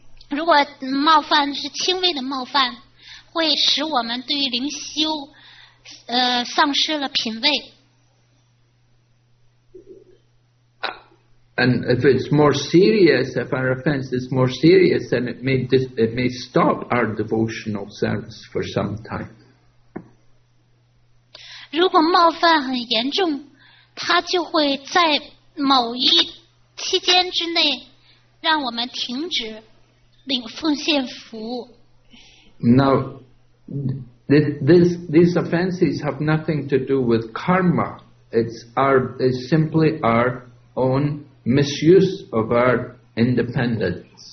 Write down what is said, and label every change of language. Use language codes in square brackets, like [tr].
[zh] 如果冒犯是轻微的冒犯，会使我们对于灵修丧失了品味。 [en] And if it's more serious, if our offense is more serious, then it may stop our devotional service for some time. [zh] 如果冒犯很严重，它就会在某一期间之内让我们停止领奉献服务。 [en] Now, these offenses have nothing to do with karma. It's simply our own misuse of our independence.